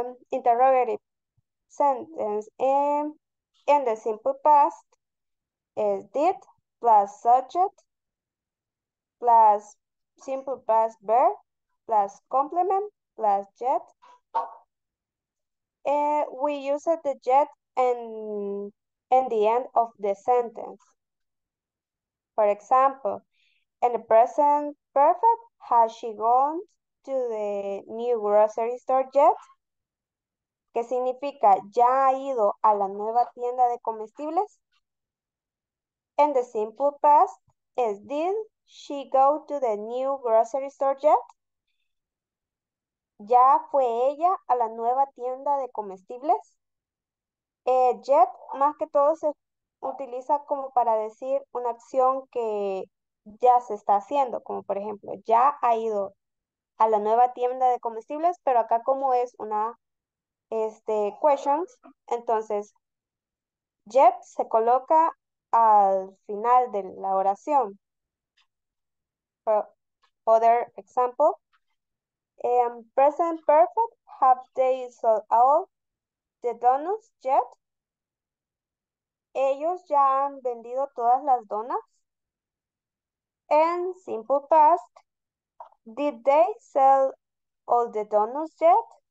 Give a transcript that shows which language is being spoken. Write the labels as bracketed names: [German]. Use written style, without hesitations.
[English] Interrogative sentence in the simple past is did plus subject plus simple past verb plus complement plus jet. We use the jet in the end of the sentence. For example, in the present perfect, has she gone to the new grocery store yet? [Spanish] ¿Qué significa? ¿Ya ha ido a la nueva tienda de comestibles? [English] In the simple past, is did she go to the new grocery store yet? [Spanish] ¿Ya fue ella a la nueva tienda de comestibles? Yet, más que todo, se utiliza como para decir una acción que ya se está haciendo, como por ejemplo, ya ha ido a la nueva tienda de comestibles, pero acá como es una questions, entonces yet se coloca al final de la oración. [English] For other example, present perfect, have they sold all the donuts yet? ¿Ellos ya han vendido todas las donas? In simple past, did they sell all the donuts yet?